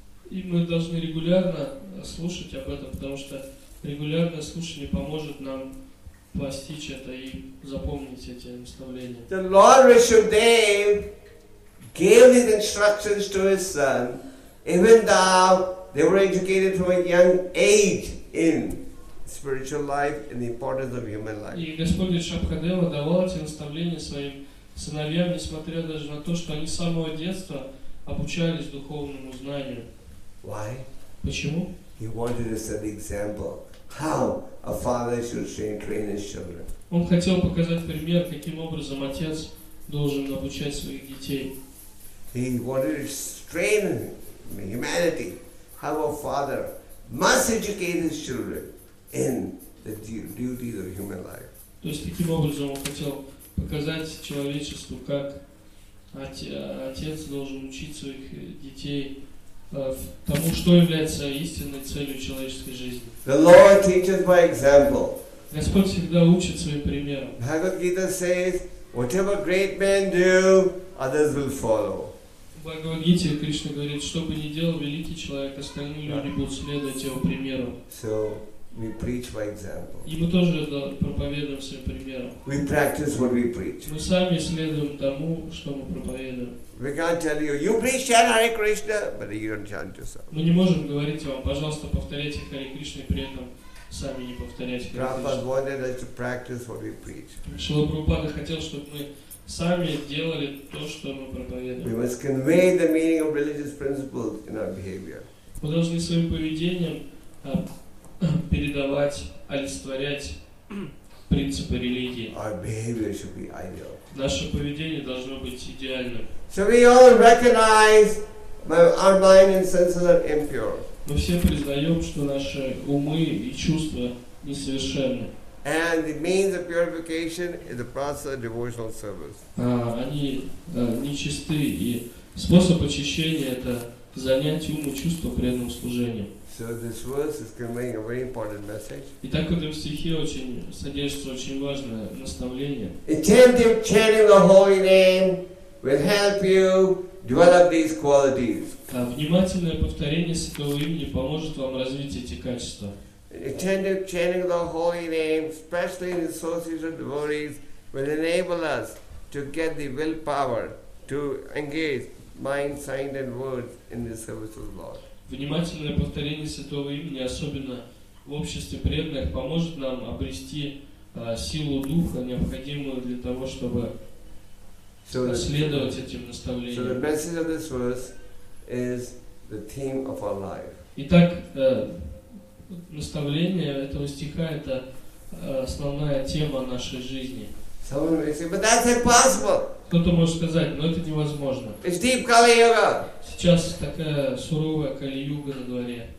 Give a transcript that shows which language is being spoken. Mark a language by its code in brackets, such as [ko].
[ru] И мы должны регулярно слушать об этом, потому что регулярное слушание поможет нам постичь это и запомнить эти наставления. [en] The Lord Rishudev gave his instructions to his son, even though they were educated from a young age in spiritual life and the importance of human life. [ru] И Господь Ришабхадева давал эти наставления своим сыновьям, несмотря даже на то, что они с самого детства обучались духовному знанию. [en] Why? [ru] Почему? [en] He wanted to set the example how a father should train his children. [ru] Он хотел показать пример, каким образом отец должен обучать своих детей. [en] He wanted to train humanity how a father must educate his children in the duties of human life. [ru] То есть таким образом он хотел показать человечеству, как отец должен учить своих детей тому, что является истинной целью человеческой жизни. [en] The Lord teaches by example. [ru] Господь всегда учит своим примером. [en] Bhagavad Gita says, whatever great men do, others will follow. [ru] Bhagavad Gita, Кришна говорит, что бы ни делал великий человек, остальные люди будут следовать его примеру. [en] So we preach by example. [ru] И мы тоже проповедуем своим примером. [en] We practice what we preach. [ru] Мы сами следуем тому, что мы проповедуем. [en] We can't tell you, you preach chant Hare Krishna, but you don't chant yourself. [ru] Мы не можем говорить вам, пожалуйста, повторяйте Хари Кришну, при этом сами не повторяйте Хари Кришну. [en] Prabhupada wanted us to practice what we preach. [ru] Шрила Прабхупада хотел, чтобы мы сами делали то, что мы проповедуем. [en] We must convey the meaning of religious principles in our behavior. [ru] Мы должны своим поведением передавать, олицетворять принципы религии. [en] Our behavior should be ideal. [ru] Наше поведение должно быть идеальным. [en] So we all recognize our mind and senses are impure. [ru] Мы все признаем, что наши умы и чувства несовершенны. [en] And the means of purification is the process of devotional service. [ru] Они нечисты, и способ очищения — это занятие ума и чувства преданным служением. [en] So this verse is conveying a very important message. [ru] Итак, в этом стихе очень содержится очень важное наставление. [en] Intensive chanting the holy name will help you develop these qualities. [ru] Внимательное повторение святого имени поможет вам развить эти качества. [en] Intensive chanting the holy name, especially in association with devotees, will enable us to get the willpower to engage mind, sight, and words in the service of the Lord. [ru] Внимательное повторение святого имени, особенно в обществе преданных, поможет нам обрести силу духа, необходимую для того, чтобы следовать этим наставлениям. [en] So the message of this verse is the theme of our life. [ru] Итак, наставление этого стиха — это основная тема нашей жизни. [en] Someone may say, but that's impossible. [ru] Кто-то может сказать, но это невозможно. [en] It's deep Kali Yuga. [ru] Сейчас такая суровая Кали-юга на дворе.